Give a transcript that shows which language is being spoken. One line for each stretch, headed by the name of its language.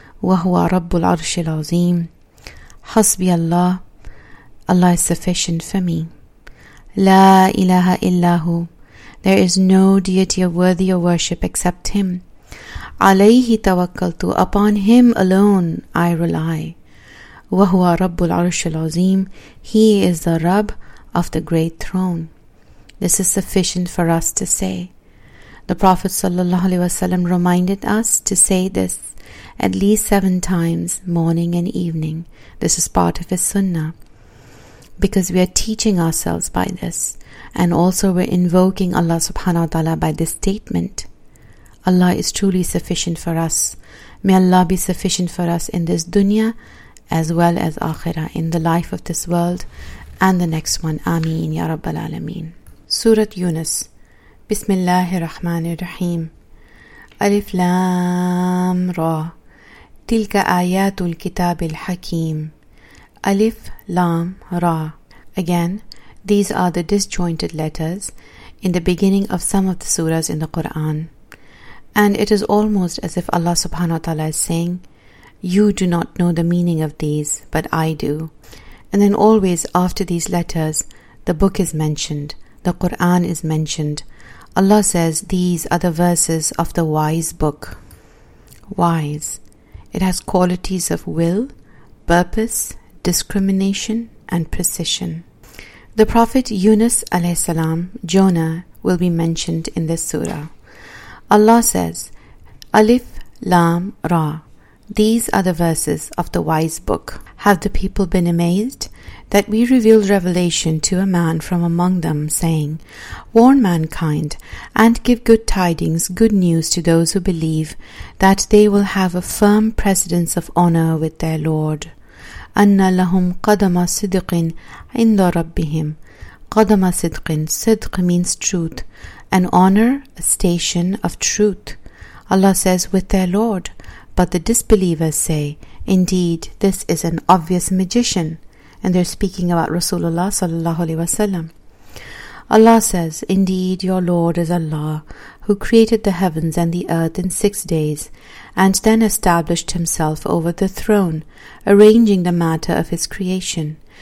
Arabic: وَهُوَ رَبُّ الْعَرْشِ الْعَظِيمِ حَسْبِ اللَّهِ
English: Allah is sufficient for me.
Arabic: لَا إِلَهَ إِلَّهُ
English: There is no deity worthy of worship except Him.
Arabic: عَلَيْهِ تَوَكَّلْتُ
English: Upon Him alone I rely.
Arabic: وَهُوَ رَبُّ الْعَرْشِ الْعَظِيمِ
English: He is the Rabb of the Great Throne. This is sufficient for us to say. The Prophet ﷺ reminded us to say this at least 7 times, morning and evening. This is part of his sunnah. Because we are teaching ourselves by this. And also we're invoking Allah subhanahu wa ta'ala by this statement. Allah is truly sufficient for us. May Allah be sufficient for us in this dunya as well as akhirah, in the life of this world and the next one. Ameen, ya Rabbal Alameen. Surat Yunus. Bismillahirrahmanirrahim. Alif Lam Ra.
Arabic: تلك آيات الكتاب الحكيم ألف لام را.
English: Again, these are the disjointed letters in the beginning of some of the surahs in the Quran. And it is almost as if Allah subhanahu wa ta'ala is saying, you do not know the meaning of these, but I do. And then always after these letters, the book is mentioned, the Quran is mentioned. Allah says, these are the verses of the wise book. Wise. It has qualities of will, purpose, discrimination, and precision. The Prophet Yunus alayhi salam, Jonah, will be mentioned in this surah. Allah says, Alif, Lam, Ra. These are the verses of the wise book. Have the people been amazed that we revealed revelation to a man from among them, saying, warn mankind and give good tidings, good news to those who believe that they will have a firm precedence of honor with their Lord.
Arabic: أَنَّ لَهُمْ قَدَمَ صِدْقٍ عِنْدَ رَبِّهِمْ قَدَمَ صِدْقٍ صِدْق
English: means truth, an honor, a station of truth. Allah says, with their Lord. But the disbelievers say, indeed, this is an obvious magician. And they're speaking about Rasulullah sallallahu alaihi wasallam. Allah says, indeed, your Lord is Allah, who created the heavens and the earth in 6 days, and then established himself over the throne, arranging the matter of his creation.